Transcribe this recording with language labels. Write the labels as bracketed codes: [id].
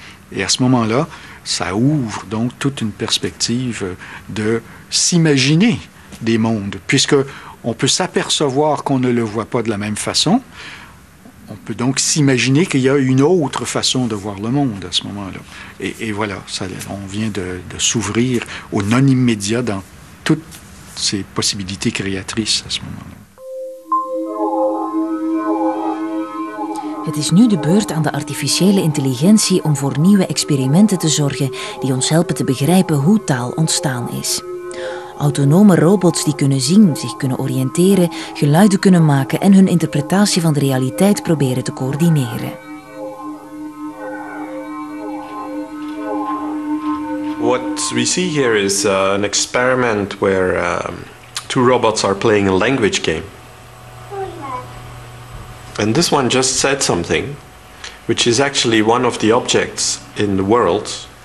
[fr] Et à ce moment-là, ça ouvre donc toute une perspective de s'imaginer des mondes, puisque on peut s'apercevoir qu'on ne le voit pas de la même façon. On peut donc s'imaginer qu'il y a une autre façon de voir le monde à ce moment-là. Et voilà, ça, on vient de s'ouvrir au non-immédiat dans toutes ces possibilités créatrices à ce moment-là. [nl] Het is nu de beurt aan de artificiële intelligentie om voor nieuwe experimenten te zorgen die ons helpen te begrijpen hoe taal ontstaan is. Autonome robots die kunnen zien, zich kunnen oriënteren, geluiden kunnen maken en hun interpretatie van de realiteit proberen te coördineren. [en] What we see here is an experiment where two robots are playing a language game. And this one just said something, which is actually one of the objects in the world.